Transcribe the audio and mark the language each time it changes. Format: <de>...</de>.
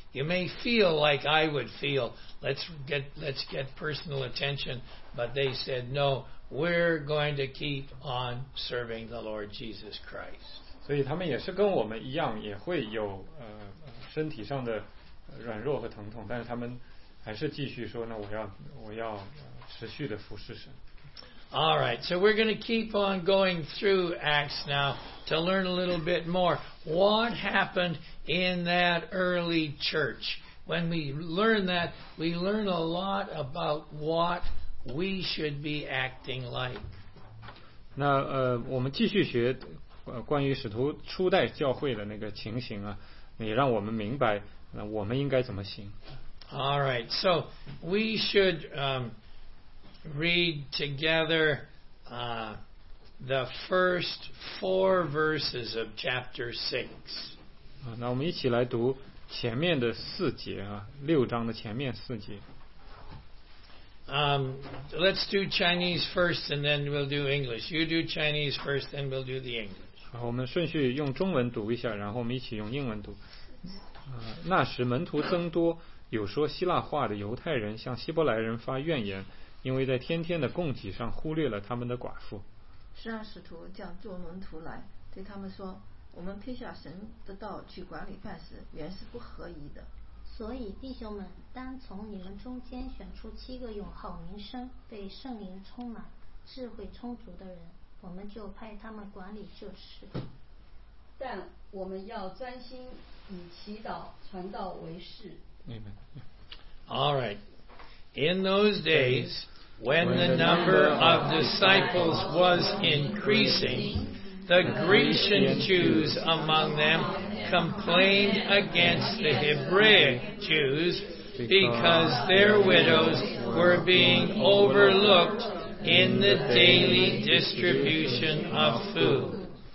<en>You may feel like I would feel, let's get personal attention, but they said, no, we're going to keep on serving the Lord Jesus Christ.</en> <zh>所以他们也是跟我们一样，也会有身体上的软弱和疼痛，但是他们还是继续说，那我要持续的服侍神。</zh> <en>All right, so we're going to keep on going through Acts now to learn a little bit more. What happened in that early church? When we learn that, we learn a lot about what we should be acting like.</en> <zh>那我们继续学关于使徒初代教会的那个情形啊，也让我们明白那我们应该怎么行。</zh> <en>All right, so we should read together the first four verses of chapter 6.</en> <zh>那我们一起来读前面的四节啊，六章的前面四节。</zh> <en>Let's do Chinese first and then we'll do English. You do Chinese first and we'll do the English.</en> <zh>好，我们顺序用中文读一下，然后我们一起用英文读。那时门徒增多，有说希腊话的犹太人向希伯来人发怨言，因为在天天的供给上忽略了他们的寡妇。十二使徒叫做门徒来对他们说，我们撇下神的道去管理饭食，原是不合宜的。所以弟兄们，当从你们中间选出七个有好名声、被圣灵充满、智慧充足的人，我们就派他们管理这事。但我们要专心以祈祷传道为事。</zh> <en>Amen. All right. In those days, when the number of disciples was increasing, the Grecian Jews among them complained against the Hebraic Jews because their widows were being overlooked in the daily distribution of food.</en>